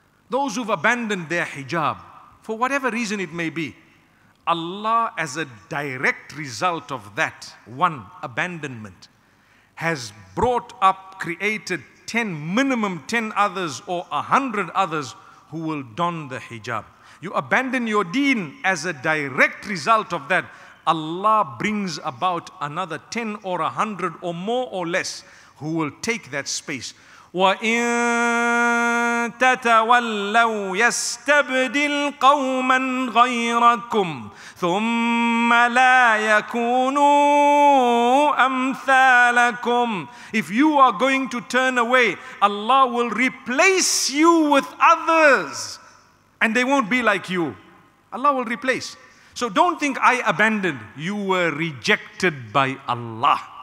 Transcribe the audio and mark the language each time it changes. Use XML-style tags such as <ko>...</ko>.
<en>Those who've abandoned their hijab, for whatever reason it may be, Allah, as a direct result of that one abandonment, has brought up, created 10, minimum 10 others or 100 others who will don the hijab. You abandon your deen as a direct result of that. Allah brings about another 10 or 100 or more or less who will take that space.</en> <ar>وَإِن تتولوا يستبدل قوما غيركم ثم لا يكونوا أمثالكم.</ar> <en>If you are going to turn away, Allah will replace you with others and they won't be like you. Allah will replace. So don't think I abandoned. You were rejected by Allah.</en>